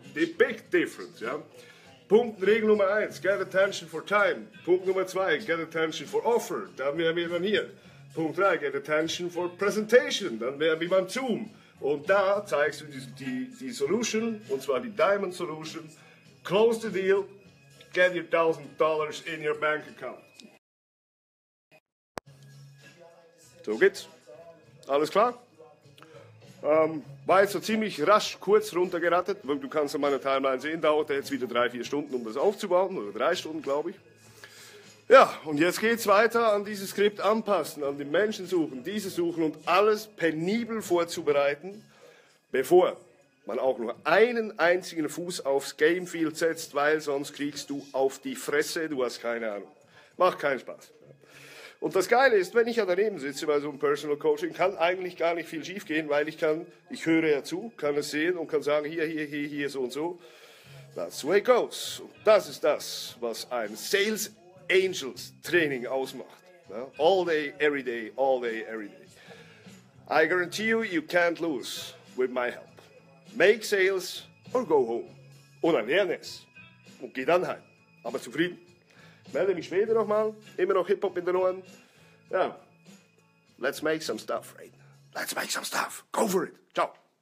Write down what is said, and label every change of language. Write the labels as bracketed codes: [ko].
[en] The big difference, [de] ja. Punkt, Regel Nummer 1, [en] get attention for time. [de] Punkt Nummer 2, [en] get attention for offer. [de] Dann wären wir dann hier. Punkt 3, [en] get attention for presentation. [de] Dann wären wir beim Zoom. Und da zeigst du die Solution, und zwar die Diamond Solution. [en] Close the deal. Get your $1,000 in your bank account. [de] So geht's. Alles klar? War jetzt so ziemlich rasch kurz runtergerattet. Du kannst an meiner Timeline sehen, dauert jetzt wieder 3-4 Stunden, um das aufzubauen. Oder 3 Stunden, glaube ich. Ja, und jetzt geht's weiter an dieses Skript anpassen, an den Menschen suchen, diese suchen und alles penibel vorzubereiten, bevor man auch nur einen einzigen Fuß aufs Gamefield setzt, weil sonst kriegst du auf die Fresse, du hast keine Ahnung. Macht keinen Spaß. Und das Geile ist, wenn ich ja daneben sitze bei so einem Personal Coaching, kann eigentlich gar nicht viel schief gehen, weil ich höre ja zu, kann es sehen und kann sagen, hier, so und so. [en] That's the way it goes. [de] Und das ist das, was ein Sales Angels Training ausmacht. [en] All day, every day, all day, every day. I guarantee you, you can't lose with my help. Make sales or go home. [de] Oder lerne es. Und geh dann heim. Aber zufrieden. Melde mich später nochmal. Immer noch Hip-Hop in den Ohren. [en] Ja. Let's make some stuff, right? Let's make some stuff. Go for it. Ciao.